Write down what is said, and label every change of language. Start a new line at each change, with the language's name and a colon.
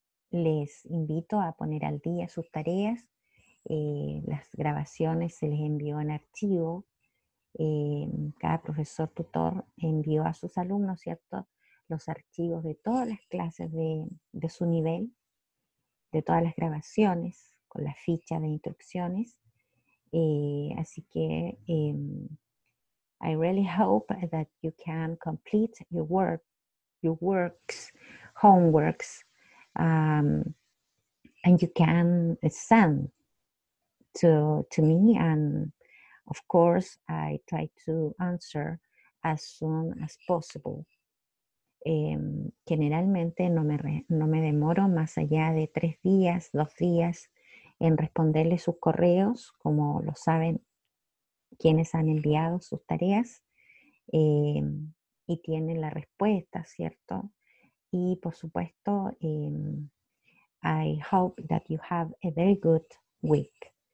Spanish: Les invito a poner al día sus tareas. Las grabaciones se les envió en archivo. Cada profesor tutor envió a sus alumnos, ¿cierto?, los archivos de todas las clases de su nivel, de todas las grabaciones, con la ficha de instrucciones. Así que,
English: I really hope that you can complete your work, your works, homeworks, and you can send to me, and of course, I try to answer as soon as possible.
Spanish: Generalmente no me demoro más allá de 3 días, 2 días en responderle sus correos, como lo saben quienes han enviado sus tareas y tienen la respuesta, ¿cierto? Y por supuesto,
English: I hope that you have a very good week.